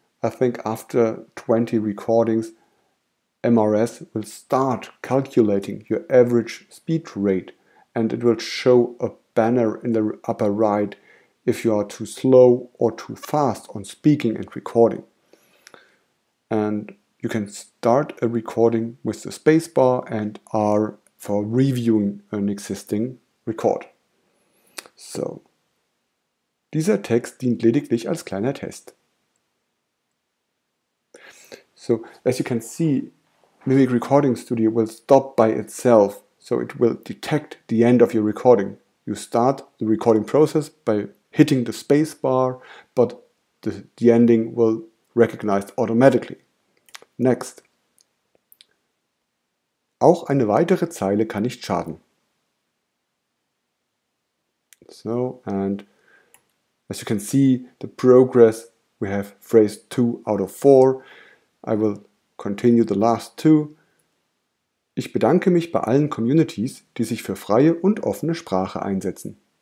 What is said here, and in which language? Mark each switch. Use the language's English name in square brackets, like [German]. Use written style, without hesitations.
[English] I think after 20 recordings, MRS will start calculating your average speech rate, and it will show a banner in the upper right if you are too slow or too fast on speaking and recording. And you can start a recording with the spacebar and R for reviewing an existing record. [German] So, dieser Text dient lediglich als kleiner Test. [English] So, as you can see, Mimic Recording Studio will stop by itself, so it will detect the end of your recording. You start the recording process by hitting the space bar, but the ending will be recognized automatically. Next. [German] Auch eine weitere Zeile kann nicht schaden. [English] So, and as you can see, the progress, we have phrase 2 out of 4. I will continue the last two. [German] Ich bedanke mich bei allen Communities, die sich für freie und offene Sprache einsetzen.